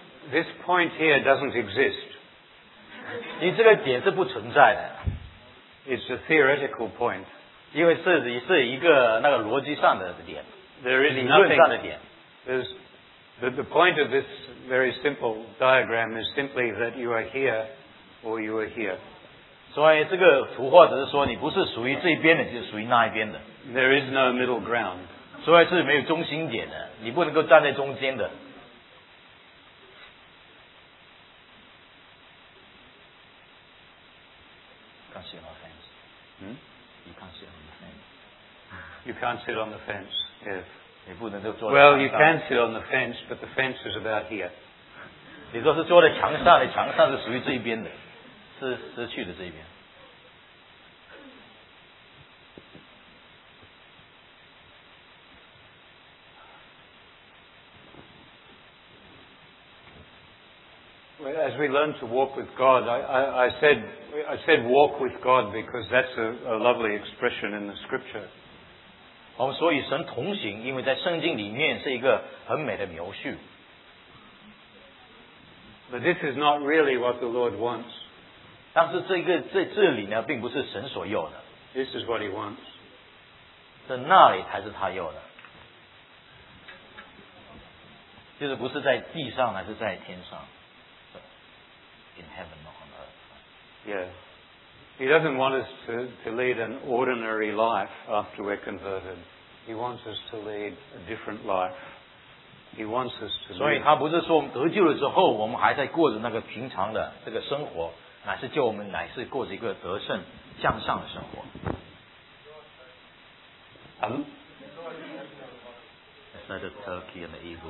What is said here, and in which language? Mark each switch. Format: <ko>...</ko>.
<en>This point here doesn't exist.</en> <zh>你这个点是不存在的。</zh> <en>It's a theoretical point.</en> <zh>因为是一个那个逻辑上的点。</zh> <en>There is nothing.</en> <zh>理论上的点。</zh> <en>The point of this very simple diagram is simply that you are here or you are here.</en> <zh>所以这个图画只是说你不是属于这边的就是属于那一边的。</zh> <en>There is no middle ground.</en> <zh>所以是没有中心点的，你不能够站在中间的。</zh> <en>Can't sit on the fence. You can't sit on the fence. You can't sit on the fence, yes. Well, you can sit on the fence, but the fence is about here.</en> <zh>你说是坐在墙上，你墙上是属于这边的，是失去的这边。</zh> <en>Well, as we learn to walk with God, I said walk with God because that's a lovely expression in the scripture.</en> <zh>我们说与神同行，因为在圣经里面是一个很美的描述。</zh> <en>But this is not really what the Lord wants.</en> <zh>但是这里呢，并不是神所要的。</zh> <en>This is what He wants.</en> <zh>是那里才是他要的，就是不是在地上，而是在天上。</zh> <en>In heaven, not on earth. Yes. He doesn't want us to lead an ordinary life after we're converted. He wants us to lead a different life. He wants us to live.</en> <zh>所以他不是说我们得救了之后我们还在过着那个平常的这个生活, 乃是叫我们, 乃是过着一个得胜, 向上的生活。</zh> <en>It's not a turkey and an eagle.</en>